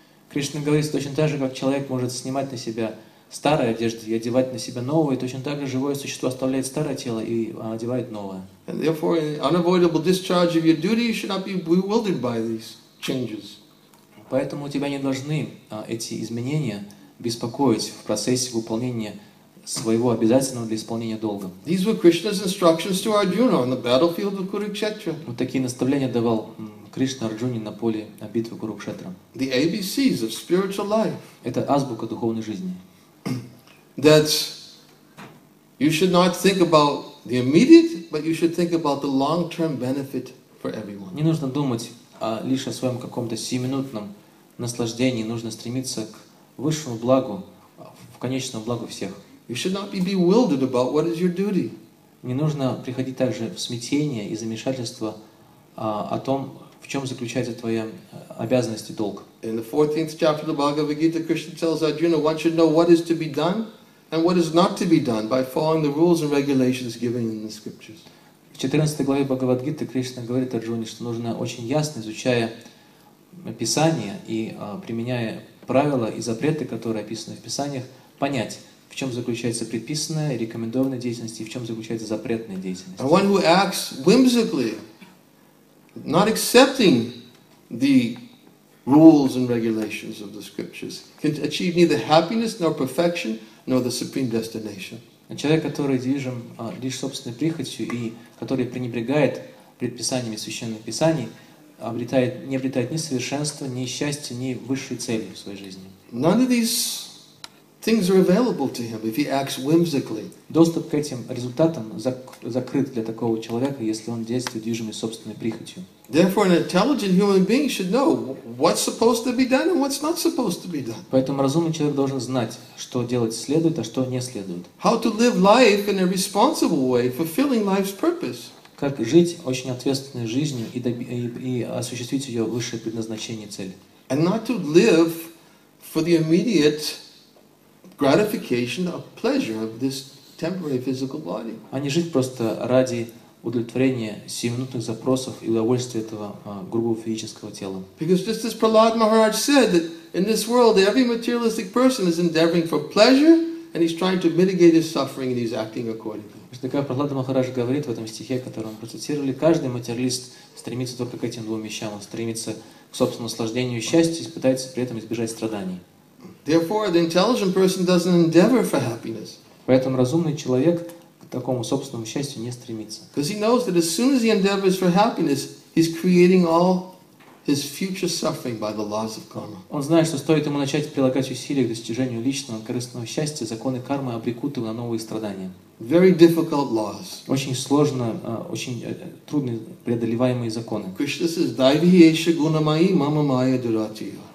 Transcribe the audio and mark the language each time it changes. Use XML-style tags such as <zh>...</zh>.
<ru>Кришна говорит, точно так же, как человек может снимать на себя старые одежды и одевать на себя новые, точно так же живое существо оставляет старое тело и одевает новое.</ru> <en>And therefore, in the unavoidable discharge of your duty, you should not be bewildered by these changes.</en> <ru>Поэтому у тебя не должны эти изменения беспокоить в процессе выполнения своего обязательного для исполнения долга.</ru> <en>These were Krishna's instructions to Arjuna on the battlefield of Kurukshetra.</en> <ru>Вот такие наставления давал Кришна Арджуне на поле битвы Курукшетра.</ru> <en>The ABCs of spiritual life.</en> <ru>Это азбука духовной жизни.</ru> <en>That you should not think about the immediate, but you should think about the long-term benefit for everyone.</en> <ru>Не нужно думать лишь о своем каком-то сиюминутном наслаждении. Нужно стремиться к высшему благу, в конечном благу всех.</ru> <en>You should not be bewildered about what is your duty.</en> <ru>Не нужно приходить также в смятение и замешательство о том, в чем заключается твоя обязанность и долг.</ru> <en>In the 14th chapter of the Bhagavad Gita, Krishna tells Arjuna, one should know what is to be done and what is not to be done by following the rules and regulations given in the scriptures.</en> <ru>В 14 главе Бхагавад Гиты Кришна говорит Арджуне, что нужно очень ясно изучая Писание и применяя правила и запреты, которые описаны в Писаниях, понять, в чем заключается предписанная и рекомендованная деятельность и в чем заключается запретная деятельность.</ru> <en>And one who acts whimsically, not accepting the rules and regulations of the scriptures, can achieve neither happiness nor perfection nor the supreme destination.</en> <ru>Человек, который движим лишь собственной прихотью и который пренебрегает предписаниями священных писаний, не обретает ни совершенства, ни счастья, ни высшей цели в своей жизни.</ru> <en>None of these things are available to him if he acts whimsically.</en> <ru>Доступ к этим результатам закрыт для такого человека, если он действует движимый собственной прихотью.</ru> <en>Therefore, an intelligent human being should know what's supposed to be done and what's not supposed to be done.</en> <ru>Поэтому разумный человек должен знать, что делать следует, а что не следует.</ru> <en>How to live life in a responsible way, fulfilling life's purpose.</en> <ru>Как жить очень ответственной жизнью и осуществить ее высшее предназначение, цель.</ru> <en>And not to live for the immediate gratification of pleasure of this temporary physical body.</en> <ru>А не жить просто ради удовлетворения сиюминутных запросов и удовольствия этого грубого физического тела.</ru> <en>Because just as Prahlad Maharaj said that in this world every materialistic person is endeavoring for pleasure and he's trying to mitigate his suffering and he's acting accordingly.</en> <ru>Как Прахлад Махарадж говорит в этом стихе, который мы процитировали, каждый материалист стремится только к этим двум вещам. Он стремится к собственному наслаждению и счастью и пытается при этом избежать страданий.</ru> <en>Therefore, the intelligent person doesn't endeavor for happiness.</en> <ru>Поэтому разумный человек к такому собственному счастью не стремится.</ru> <en>Because he knows that as soon as he endeavors for happiness, he's creating all his future suffering by the laws of karma.</en> <ru>Он знает, что стоит ему начать прилагать усилия к достижению личного корыстного счастья, законы кармы обрекут его на новые страдания.</ru> <en>Very difficult laws.</en> <ru>Очень сложные, очень трудные преодолеваемые законы.</ru> <en>Krishna says,</en> <sa>"Daivyesha gunamayi mama maya duratiya."</sa>